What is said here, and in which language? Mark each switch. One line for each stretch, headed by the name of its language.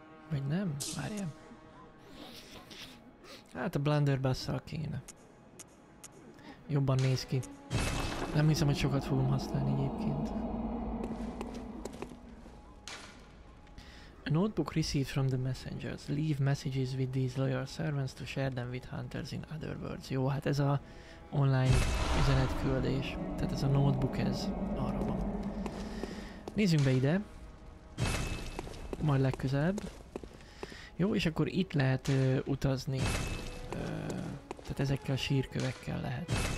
Hungarian: Vagy nem? Várjál. Hát a blunderbusszal kéne. Jobban néz ki. Nem hiszem, hogy sokat fogom használni egyébként.
English: A notebook received from the messengers. Leave messages with these loyal servants to share them with hunters in other worlds.
Hungarian: Jó, hát ez a online üzenetküldés. Tehát ez a notebook, ez arra van. Nézzünk be ide. Majd legközelebb. Jó, és akkor itt lehet utazni. Tehát ezekkel a sírkövekkel lehet.